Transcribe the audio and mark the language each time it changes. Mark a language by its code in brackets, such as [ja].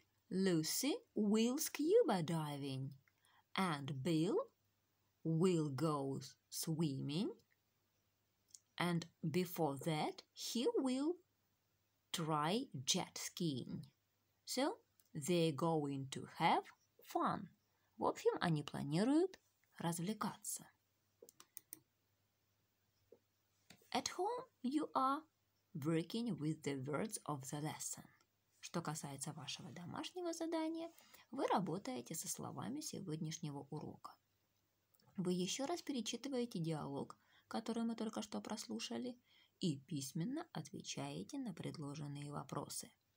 [en] Lucy will scuba diving, and Bill will go swimming, and before that he will try jet skiing. So they're going to have fun. [ru] В общем, они планируют развлекаться. [en] At home you are working with the words of the lesson. [ru] Что касается вашего домашнего задания, вы работаете со словами сегодняшнего урока. Вы еще раз перечитываете диалог, который мы только что прослушали, и письменно отвечаете на предложенные вопросы.